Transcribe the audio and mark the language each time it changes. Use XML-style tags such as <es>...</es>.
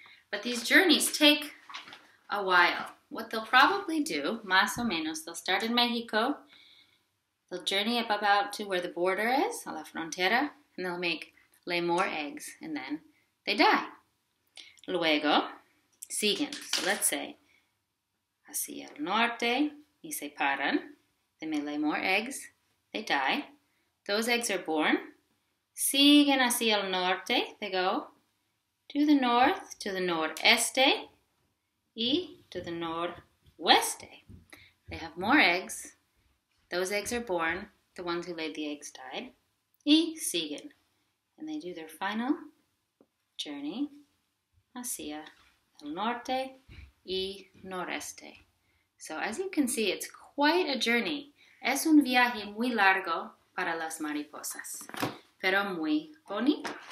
<en>But these journeys take a while. What they'll probably do,</en> <es>más o menos,</es> <en>they'll start in Mexico, they'll journey up about to where the border is,</en> <es>a la frontera,</es> <en>and they'll lay more eggs, and then they die.</en> <es>Luego, siguen.</es> <en>So let's say,</en> <es>hacia el norte, y se paran.</es> <en>They may lay more eggs, they die. Those eggs are born.</en> <es>Siguen hacia el norte,</es> <en>they go to the north, to the noreste, y to the noroeste. They have more eggs. Those eggs are born. The ones who laid the eggs died.</en> <es>Y siguen.</es> <en>And they do their final journey</en> <es>hacia el norte y noreste.</es> <en>So as you can see, it's quite a journey.</en> <es>Es un viaje muy largo para las mariposas, pero muy bonito.</es>